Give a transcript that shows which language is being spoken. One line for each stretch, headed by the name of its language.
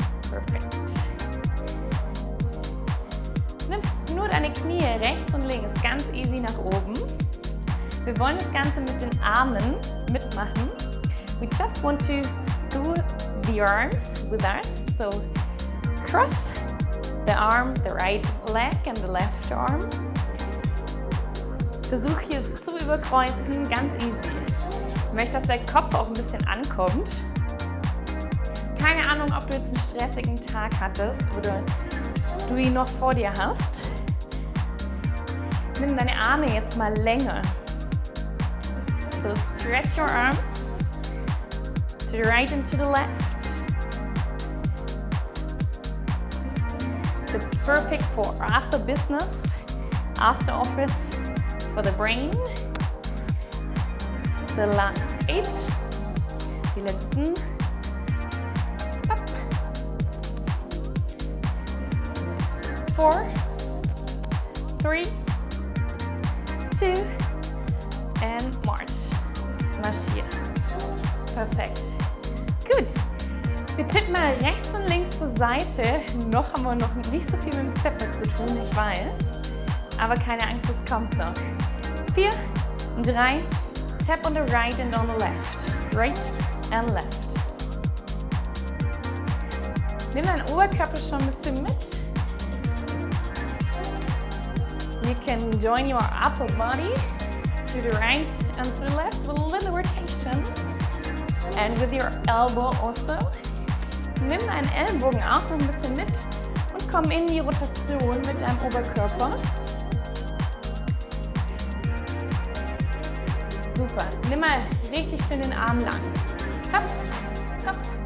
German: Perfekt. Nimm nur deine Knie rechts und links ganz easy nach oben. Wir wollen das Ganze mit den Armen mitmachen.
English: We just want to do the arms with us. So cross the arm, the right leg and the left arm.
German: Versuch hier zu überkreuzen, ganz easy. Ich möchte, dass dein Kopf auch ein bisschen ankommt. Keine Ahnung, ob du jetzt einen stressigen Tag hattest oder du ihn noch vor dir hast. Nimm deine Arme jetzt mal länger.
English: So stretch your arms to the right and to the left. It's perfect for after business, after office, for the brain. The last 8.
German: Die letzten.
English: Up.
German: 4, 3, 2 and march. Marschieren. Perfekt. Gut. Wir tippen mal rechts und links zur Seite. Noch haben wir noch nicht so viel mit dem Stepback zu tun, ich weiß. Aber keine Angst, es kommt noch.
English: 4, 3, tap on the right and on the left. Right and left.
German: Nimm deinen Oberkörper schon ein bisschen mit.
English: You can join your upper body. To the right and to the left with a little rotation. And with your elbow also.
German: Nimm deinen Ellenbogen auch noch ein bisschen mit und komm in die Rotation mit deinem Oberkörper. Super. Nimm mal richtig schön den Arm lang. Hopp, hopp.